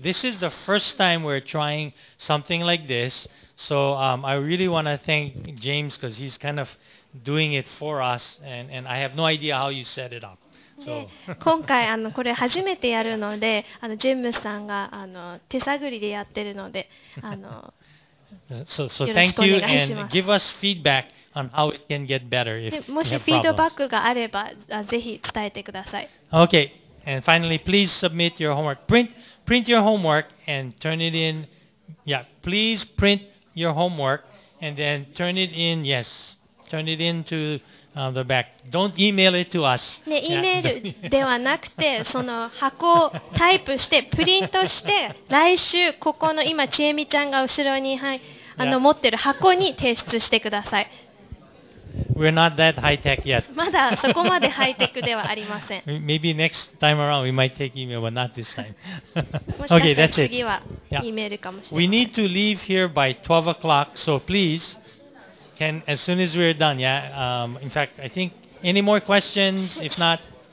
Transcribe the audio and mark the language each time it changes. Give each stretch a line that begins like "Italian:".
English: This is the first time we're trying something like this. So I really want to thank James because he's kind of doing it for us. And I have no idea how you set it up.
Japanese: 今回あのこれ初めてやるのであのジェームスさんがあの手探りでやってるのであのもしフィードバックがあればぜひ伝えてください。
English: Okay, and finally, please submit your homework. Print your homework and turn it in. Yeah, please print your homework and then turn it in. Yes, turn it into. The back. Don't email it to us.
Japanese: ね、イメールではなくて、その箱をタイプして、プリントして、来週ここの今ちえみちゃんが後ろに、はい、あの持ってる箱に提出してください。
English: We're not that high tech yet.
Japanese: まだそこまでハイテクではありません。
English: Maybe next time around we might take email, but not this time. Okay, that's it.
Japanese: 次はイメールかもしれない。
English: We need to leave here by 12 o'clock, so please. And as soon as we're done, yeah. In fact, I think any more questions? If not.